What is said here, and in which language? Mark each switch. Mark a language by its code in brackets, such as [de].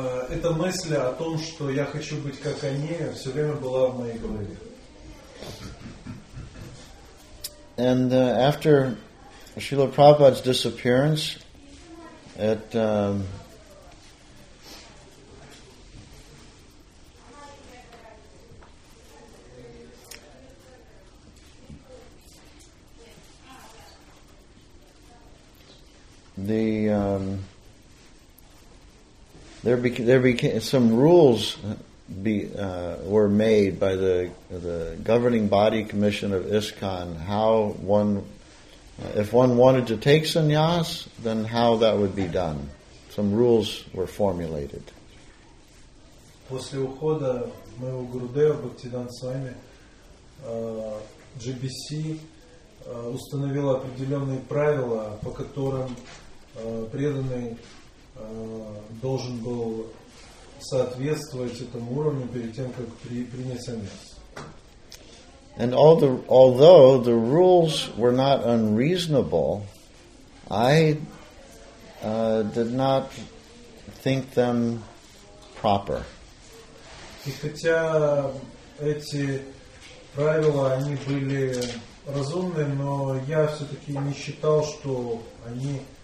[ru] Эта мысль о том, что я хочу быть как они, все время была в моей голове. [en] And after Srila Prabhupada's disappearance, it There were some rules made by the governing body commission of ISKCON, how one, if one wanted to take sannyas, then how that would be done. Some rules were formulated. [ru] После ухода моего Гурудева Бхактиданта Свами, GBC установила определенные правила, по которым преданный должен был соответствовать этому уровню перед тем, как принять сеньяс. [en] And although the rules were not unreasonable, I did not think them proper. [ru] И хотя эти правила они были разумны, но я все-таки не считал, что они